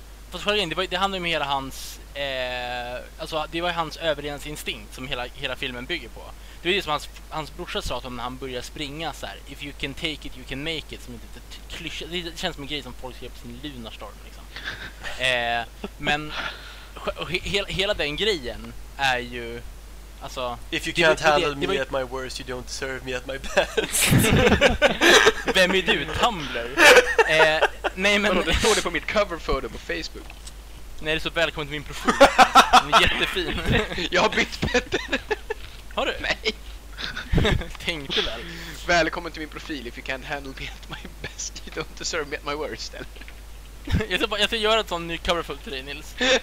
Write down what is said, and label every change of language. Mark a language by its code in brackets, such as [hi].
[sv] Det handlar ju om hela hans alltså det var ju hans överlevnadsinstinkt som hela filmen bygger på. Det är ju som hans brorsa sa att när han börjar springa så här, if you can take it you can make it, som inte klyscha, det känns som en grej som folk skrev på sin lunarstorm liksom. Men hela den grejen är ju alltså, [en] if you can't handle me at my worst you don't deserve me at my best. [sv] Vem är du, Tumblr? Nej, men det står det på mitt cover photo på Facebook. Nej, det är så välkommen till min profil. Den är jättefin. Jag har bytt Petter. Har du? Nej. Tänkte väl. Välkommen till min profil. [en] If you can't handle me at my best, you don't deserve me at my worst. [sv] jag ska göra ett sånt ny cover photo till dig, Nils.